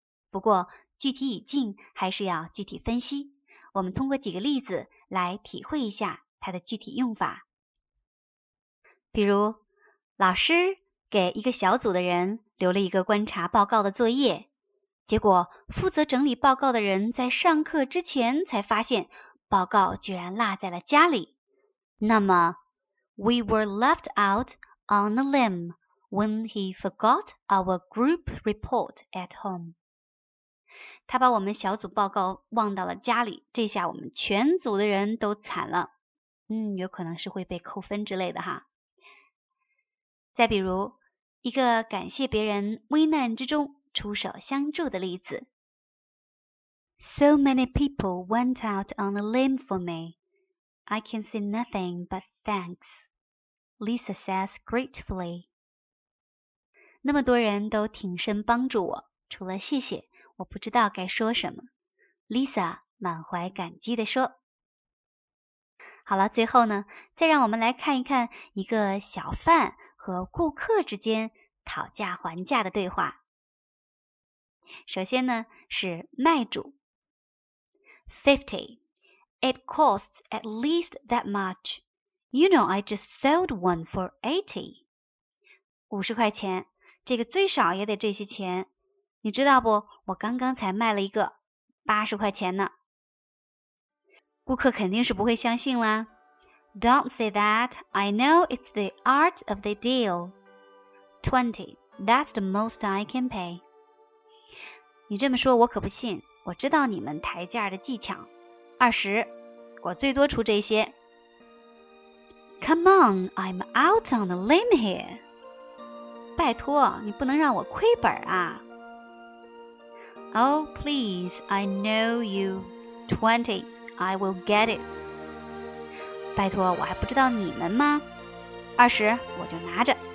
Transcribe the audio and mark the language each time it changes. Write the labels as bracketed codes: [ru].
[zh] 不过具体语境还是要具体分析，我们通过几个例子来体会一下它的具体用法。比如老师给一个小组的人留了一个观察报告的作业，结果负责整理报告的人在上课之前才发现报告居然落在了家里。 [en] 那么 We were left out on a limb when he forgot our group report at home。 [zh] 他把我们小组报告忘到了家里，这下我们全组的人都惨了。有可能是会被扣分之类的哈。再比如一个感谢别人危难之中出手相助的例子。 [en] So many people went out on a limb for me. I can say nothing but thanks, Lisa says gratefully. [zh] 那么多人都挺身帮助我，除了谢谢，我不知道该说什么。 Lisa 满怀感激地说。好了，最后呢，再让我们来看一看一个小贩和顾客之间讨价还价的对话。首先呢，是卖主。50. [en] It costs at least that much. You know, I just sold one for 80. [zh] 50块钱，这个最少也得这些钱。你知道不？我刚刚才卖了一个80块钱呢。顾客肯定是不会相信啦。 [en] Don't say that. I know it's the art of the deal. 20. That's the most I can pay. [zh] 你这么说我可不信。我知道你们抬价的技巧。 20，我最多出这些。 [en] Come on, I'm out on a limb here. [zh] 拜托，你不能让我亏本啊。 [en] Oh, please, I know you. 20, I will get it. [zh] 拜托，我还不知道你们吗？20，我就拿着。